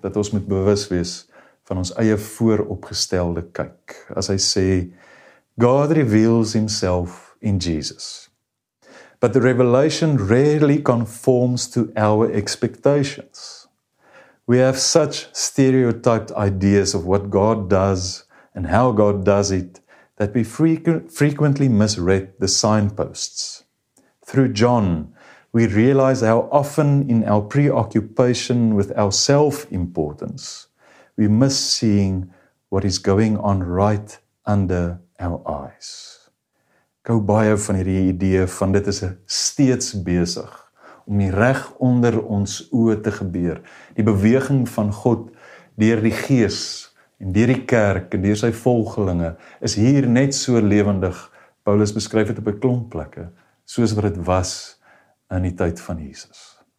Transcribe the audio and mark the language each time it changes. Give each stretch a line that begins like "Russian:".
Afrikaans: Dat ons moet bewus wees van ons eie vooropgestelde kyk. As hy sê,
English: God reveals himself in Jesus. But the revelation rarely conforms to our expectations. We have such stereotyped ideas of what God does and how God does it, that we frequently misread the signposts. Through John, we realize how often in our preoccupation with our self-importance, we miss seeing what is going on right under our eyes.
Afrikaans: Ek hou baie van hierdie idee van dit is steeds besig om die reg onder ons oë te gebeur. Die beweging van God deur die gees en deur die kerk en deur sy volgelinge is hier net so lewendig. Paulus beskryf dit op 'n klomp plekke, soos wat dit was in die tyd van Jesus.